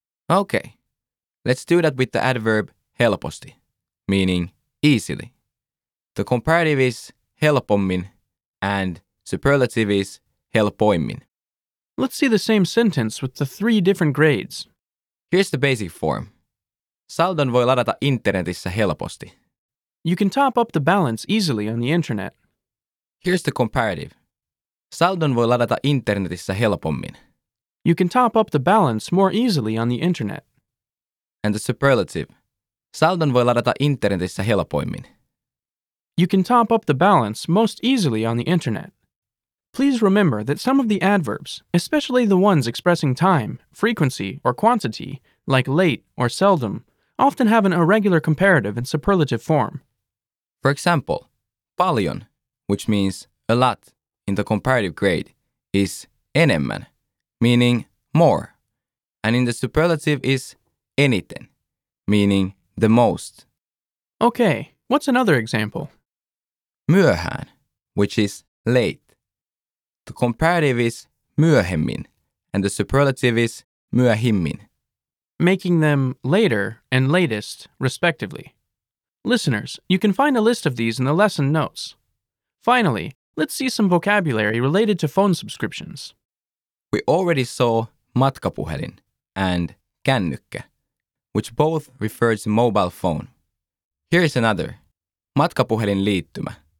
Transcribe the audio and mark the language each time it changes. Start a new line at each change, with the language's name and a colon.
English: Okay, let's do that with the adverb helposti, meaning easily. The comparative is helpommin, and superlative is helpoimmin. Let's see the same sentence with the three different grades. Here's the basic form.
Finnish: Saldon voi ladata internetissä helposti.
English: You can top up the balance easily on the internet. Here's the comparative.
Finnish: Saldon voi ladata internetissä helpommin.
English: You can top up the balance more easily on the internet. And the superlative.
Finnish: Saldon voi ladata internetissä helpoimmin.
English: You can top up the balance most easily on the internet. Please remember that some of the adverbs, especially the ones expressing time, frequency, or quantity, like late or seldom, often have an irregular comparative and superlative form. For example, paljon, which means a lot in the comparative grade, is enemmän, meaning more, and in the superlative is eniten, meaning the most. Okay, what's another example? Myöhään, which is late. The comparative is myöhemmin, and the superlative is myöhimmin. Making them later and latest, respectively. Listeners, you can find a list of these in the lesson notes. Finally, let's see some vocabulary related to phone subscriptions. We already saw matkapuhelin and kännykkä, which both refer to mobile phone. Here is another, matkapuhelin liittymä,